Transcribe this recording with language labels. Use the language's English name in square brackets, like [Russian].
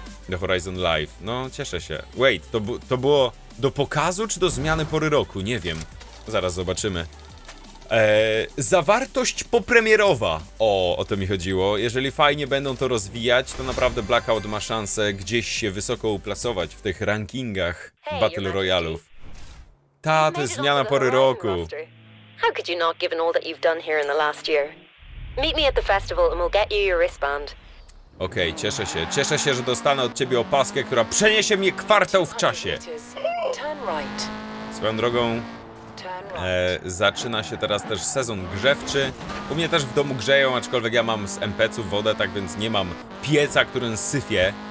[Polish] The Horizon Live. No, cieszę się. Wait, to było do pokazu czy do zmiany pory roku? Nie wiem. Zaraz zobaczymy. Zawartość popremierowa, o to mi chodziło. Jeżeli fajnie będą to rozwijać, to naprawdę Blackout ma szansę gdzieś się wysoko uplasować w tych rankingach Battle Royale'ów. Ta, to jest zmiana pory roku. [English] How could you not given all that you've done here in the last year? Meet me at the festival and we'll get you your wristband. [Polish] Okej, cieszę się. Cieszę się, że dostanę od ciebie opaskę, która przeniesie mnie kwartał w czasie. Swoją drogą, zaczyna się teraz też sezon grzewczy. U mnie też w domu grzeją, aczkolwiek ja mam z MPC-u wodę, tak więc nie mam pieca, którym syfię.